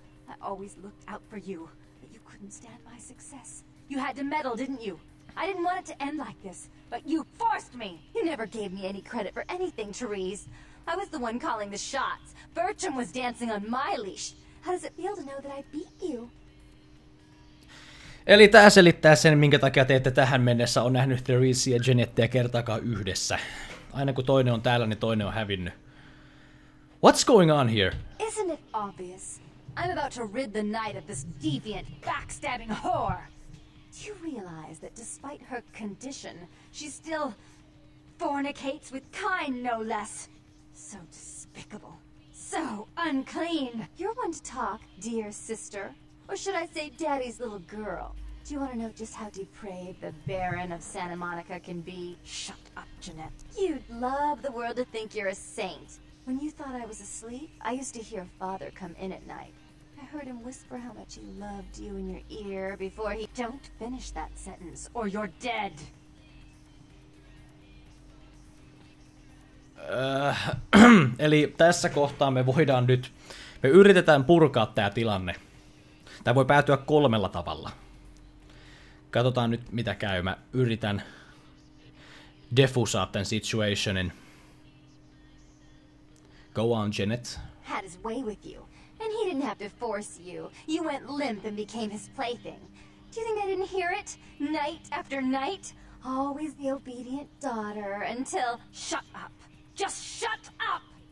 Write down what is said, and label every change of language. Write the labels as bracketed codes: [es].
[en] I always looked out for you, but you couldn't stand my success. You had to meddle, didn't you? I didn't want it to end like this, but you forced me. You never gave me any credit for anything, Therese. I was the one calling the shots. Bertram was dancing on my leash. How does it feel to know that I beat you? [fi] Eli tää selittää sen, minkä takia te ette tähän mennessä on nähnyt Therese ja Jeanette kertaakaan yhdessä. Aina kun toinen on täällä, niin toinen on hävinnyt. [en] What's going on here? Isn't it obvious? I'm about to rid the night of this deviant, backstabbing whore. Do you realize that despite her condition, she still fornicates with kind, no less? So despicable. So unclean. You're one to talk, dear sister. Or should I say daddy's little girl? Do you want to know just how depraved the Baron of Santa Monica can be? Shut up, Jeanette. You'd love the world to think you're a saint. When you thought I was asleep, I used to hear father come in at night. I heard him whisper how much he loved you in your ear before he... Don't finish that sentence, or you're dead! [fi] eli tässä kohtaa me voidaan nyt... Me yritetään purkaa tää tilanne. Tämä voi päätyä kolmella tavalla. Katsotaan nyt, mitä käy. Mä yritän defusaa tämän situationin. [en] Go on, Jeanette. Had his way with you. And he didn't have to force you. You went limp and became his plaything. Do you think I didn't hear it? Night after night? Always the obedient daughter until... Shut up. Just shut up!